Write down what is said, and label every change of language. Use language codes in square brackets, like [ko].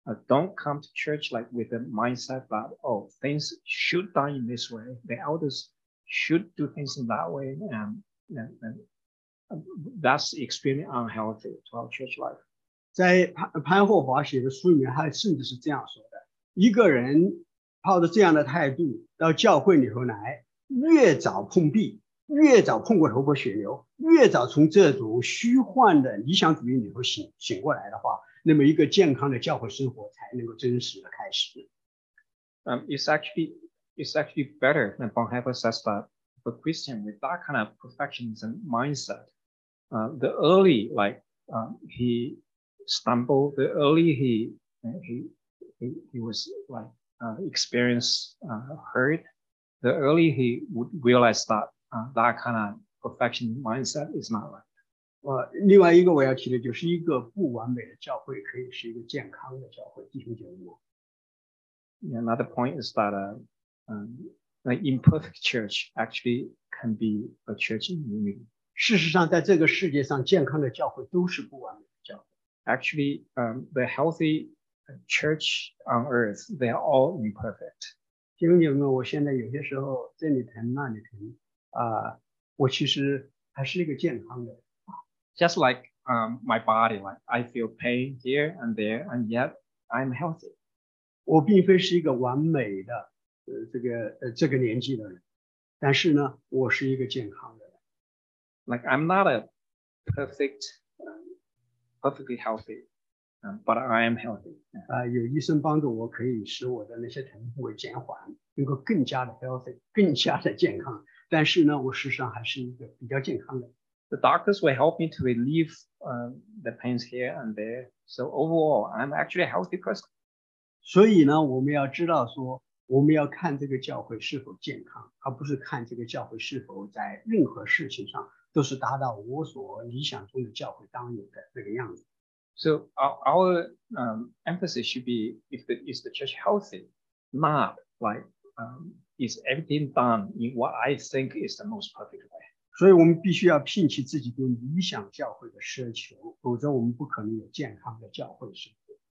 [en] Don't come to church like with a mindset that, oh, things should die in this way, the elders should do things in that way, and that's extremely unhealthy to our church life. [zh] 在潘霍华写的书里面，他甚至是这样说的：一个人抱着这样的态度到教会里头来，越早碰壁，越早碰过头破血流，越早从这种虚幻的理想主义里头醒过来的话，那么一个健康的教会生活才能够真实的开始。 [en] It's actually better than Bonhoeffer says that. For Christian with that kind of perfectionism mindset, the early like he stumbled, the early he was like experience hurt, the early he would realize that that kind of perfection mindset is not right. [zh] 另外一个我要提的就是一个不完美的教会可以是一个健康的教会，弟兄姐妹。 [en] Another point is that An imperfect church actually can be a church in unity. [zh] 事实上，在这个世界上，健康的教会都是不完美的教会。 [en] Actually, the healthy church on earth, they are all imperfect. [zh] 弟兄姐妹，我现在有些时候这里疼那里疼，我其实还是一个健康的。 [en] Just like my body, like I feel pain here and there, and yet I'm healthy. [zh] 我并非是一个完美的。这个年纪的人，但是呢，我是一个健康的人。 [en] Like I'm not a perfectly healthy, but I am healthy. [zh] 有医生帮助我，可以使我的那些疼痛会减缓，能够更加的 healthy, 更加的健康。但是呢，我事实上还是一个比较健康的。 [en] The doctors will help me to relieve the pains here and there. So overall, I'm actually a healthy person. [zh] 所以呢，我们要知道说。我们要看这个教会是否健康，而不是看这个教会是否在任何事情上都是达到我所理想中的教会当有的那个样子。 [en] So our emphasis should be is the church healthy, not like is everything done in what I think is the most perfect way. [zh] 所以我们必须要摒弃自己对理想教会的奢求，否则我们不可能有健康的教会生活。